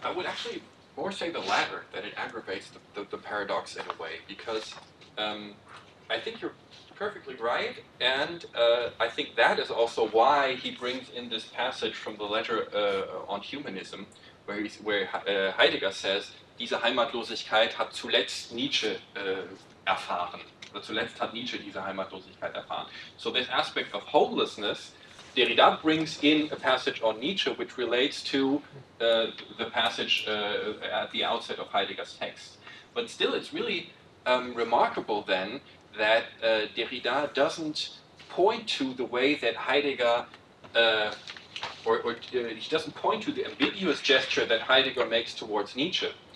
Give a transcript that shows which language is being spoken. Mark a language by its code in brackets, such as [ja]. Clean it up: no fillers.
[en] I would actually more say the latter, that it aggravates the paradox in a way, because I think you're perfectly right, and I think that is also why he brings in this passage from the letter on humanism, where Heidegger says, [de] diese Heimatlosigkeit hat zuletzt Nietzsche erfahren. Oder zuletzt hat Nietzsche diese Heimatlosigkeit erfahren. [en] So this aspect of homelessness, Derrida brings in a passage on Nietzsche which relates to the passage at the outset of Heidegger's text. But still, it's really remarkable then that Derrida doesn't point to the way that Heidegger, he doesn't point to the ambiguous gesture that Heidegger makes towards Nietzsche.